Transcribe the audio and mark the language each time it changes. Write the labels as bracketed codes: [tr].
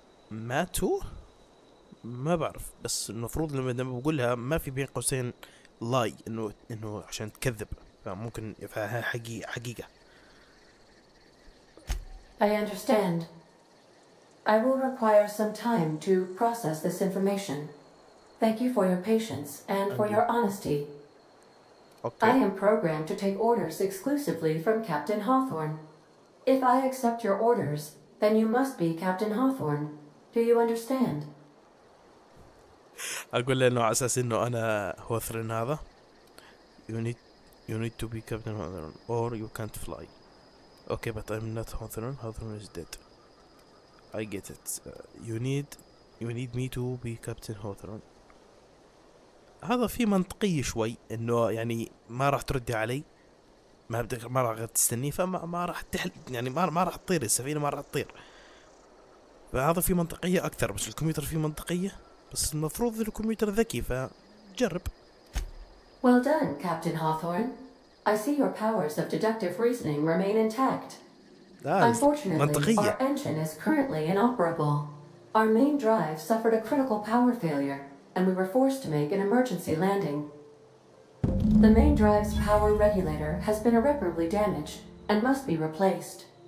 [ar] ماتوا؟ ما بعرف بس المفروض لما بقولها ما في بين قوسين لاي انه عشان تكذب فممكن يفعلها حقيقة. [en] I understand. I will require some time to process this information. Thank you for your patience and for your honesty. Okay. I am programmed to take orders exclusively from Captain Hawthorne. If I accept your orders, then you must be Captain Hawthorne. Do you understand? [ar] أقول له إنه على أساس إنه أنا هوثرن هذا. [en] You need to be Captain Hawthorne or you can't fly. Okay, but I'm not Hawthorne. Hawthorne is dead. I get it. You need me to be Captain Hawthorne. [ar] هذا في منطقي شوي إنه يعني ما راح تردي علي. ما راح تستني فما راح تحل يعني ما راح تطير السفينة ما راح تطير. فهذا في منطقية أكثر بس الكمبيوتر في منطقية بس المفروض الكمبيوتر ذكي فجرب. [en] Well done, Captain Hawthorne. I see your powers of deductive reasoning remain intact. Unfortunately, [ar] منطقية. [en] Our engine is currently inoperable. Our main drive suffered a critical power failure, and we were forced to make an emergency landing. The main drive's power regulator has been irreparably damaged and must be replaced.